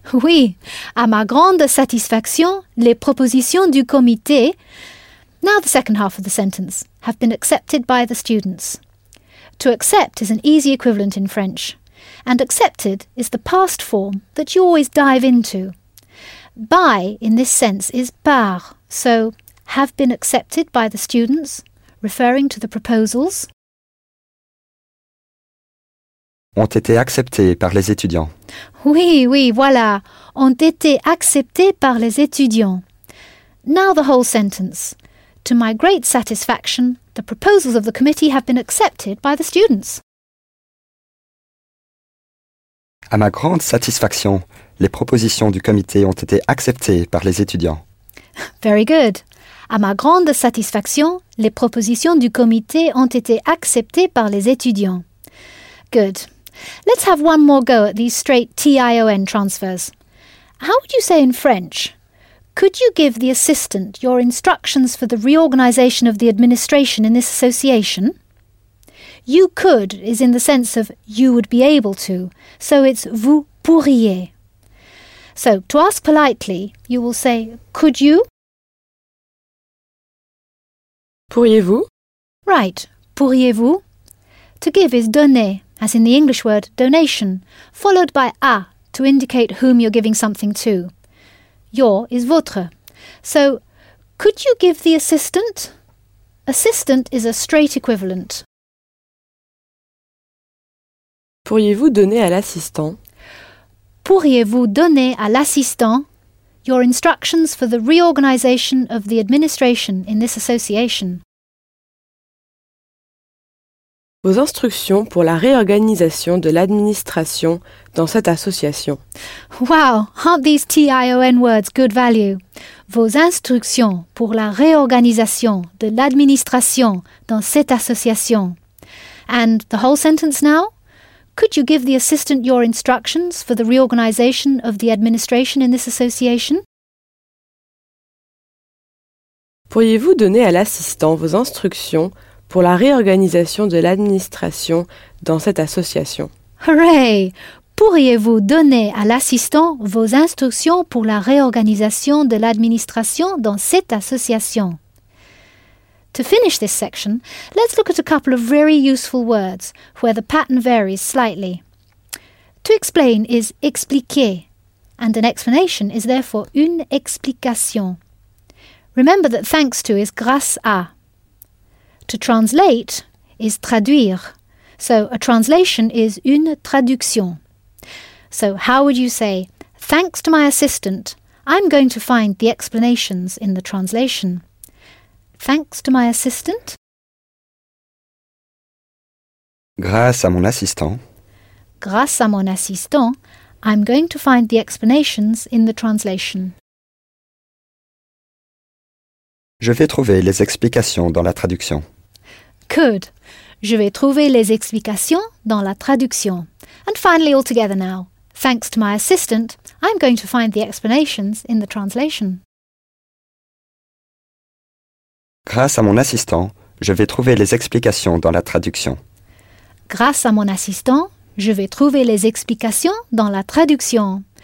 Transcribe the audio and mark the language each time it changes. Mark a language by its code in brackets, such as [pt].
[fr] Oui, à ma grande satisfaction, les propositions du comité... [en] Now the second half of the sentence. Have been accepted by the students. To accept is an easy equivalent in French. And accepted is the past form that you always dive into. By, in this sense, is par. So, have been accepted by the students, referring to the proposals. [fr] Ont été acceptés par les étudiants. Oui, oui, voilà. Ont été acceptés par les étudiants. [en] Now the whole sentence. To my great satisfaction, the proposals of the committee have been accepted by the students. [fr] À ma grande satisfaction, les propositions du comité ont été acceptées par les étudiants. [en] Very good. [fr] À ma grande satisfaction, les propositions du comité ont été acceptées par les étudiants. [en] Good. Let's have one more go at these straight T-I-O-N transfers. How would you say in French, could you give the assistant your instructions for the reorganisation of the administration in this association? You could is in the sense of you would be able to, so it's vous pourriez. So, to ask politely, you will say, could you? [fr] Pourriez-vous? Right, pourriez-vous? [en] To give is donner, as in the English word donation, followed by à, to indicate whom you're giving something to. Your is votre. So, could you give the assistant? Assistant is a straight equivalent. [fr] Pourriez-vous donner à l'assistant? Pourriez-vous donner à l'assistant [en] your instructions for the reorganisation of the administration in this association? [fr] Vos instructions pour la réorganisation de l'administration dans cette association. [en] Wow, aren't these T-I-O-N words good value? [fr] Vos instructions pour la réorganisation de l'administration dans cette association. [en] And the whole sentence now? Could you give the assistant your instructions for the reorganisation of the administration in this association? [fr] Pourriez-vous donner à l'assistant vos instructions pour la réorganisation de l'administration dans cette association? [en] Hooray! [fr] Pourriez-vous donner à l'assistant vos instructions pour la réorganisation de l'administration dans cette association? [en] To finish this section, let's look at a couple of very useful words where the pattern varies slightly. To explain is expliquer, and an explanation is therefore une explication. Remember that thanks to is grâce à. To translate is traduire, so a translation is une traduction. So how would you say, thanks to my assistant, I'm going to find the explanations in the translation? Thanks to my assistant. [fr] Grâce à mon assistant. Grâce à mon assistant, [en] I'm going to find the explanations in the translation. [fr] Je vais trouver les explications dans la traduction. [en] Good. [fr] Je vais trouver les explications dans la traduction. [en] And finally, all together now. Thanks to my assistant, I'm going to find the explanations in the translation. [fr] Grâce à mon assistant, je vais trouver les explications dans la traduction. Grâce à mon assistant, je vais trouver les explications dans la traduction.